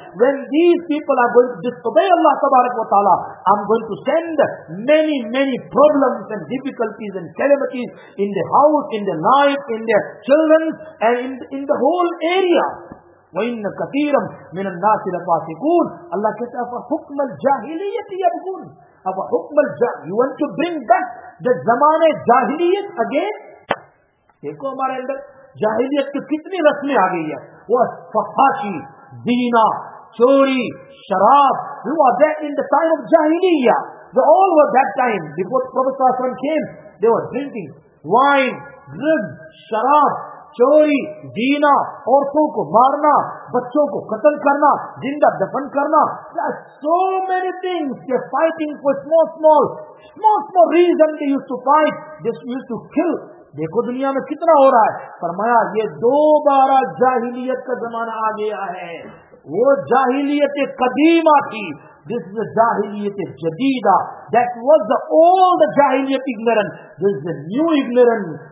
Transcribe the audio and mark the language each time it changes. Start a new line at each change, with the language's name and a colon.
English: When these people are going to disobey Allah Tabarak wa Ta'ala, I'm going to send many, many problems and difficulties and calamities in the house, in the life, in their children, and in the whole area.
Arabic: وَإِنَّ كَثِيرًا مِنَ النَّاسِ لَفَاسِقُونَ.
English: Allah says,
Arabic: أَفَحُكْمَ الْجَاهِلِيَّةِ يَبْغُونَ. أَفَحُكْمَ الْجَاهِلِيَّةِ.
English: You want to bring back the zamane jahiliyat again?
Urdu: دیکھو ہمارے اندر جاہلیت کی کتنی رسمیں آ گئی ہے. وہ فحاشی, زینا, چوری, شراب,
English: we were there in the time of jahiliyah. They all were that time before Prophet صلی اللہ علیہ وسلم came. They were drinking wine, drugs,
Urdu: شراب, چوری, زینا, عورتوں کو مارنا, بچوں کو قتل کرنا, زندہ دفن کرنا.
English: There are so many things. They are fighting for small reason. They used to fight, they used to kill.
Urdu: دیکھو دنیا میں کتنا ہو رہا ہے. فرمایا یہ دوبارہ جاہلیت کا زمانہ آ گیا ہے. وہ جاہلیت قدیمہ تھی.
English: This is the
Urdu: جاہلیت جدیدہ.
English: That was the old جاہلیت ignorance. This is the new ignorance.